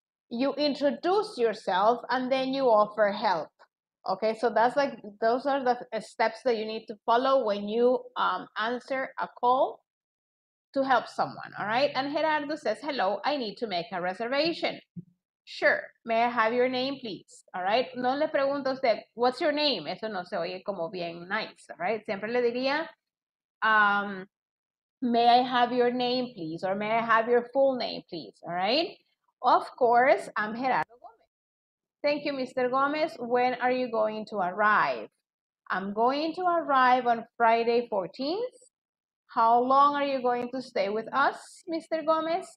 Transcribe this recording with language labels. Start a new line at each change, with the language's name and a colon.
English: You introduce yourself and then you offer help. Okay, so that's like, those are the steps that you need to follow when you answer a call to help someone, all right? And Gerardo says, hello, I need to make a reservation. Sure, may I have your name, please? All right,
Spanish: no le pregunto a usted,
English: what's your name?
Spanish: Eso no se oye como bien nice,
English: all right?
Spanish: Siempre le diría,
English: may I have your name, please? Or may I have your full name, please, all right? Of course, I'm Gerardo Gomez. Thank you, Mr. Gomez. When are you going to arrive? I'm going to arrive on Friday 14th. How long are you going to stay with us, Mr. Gomez?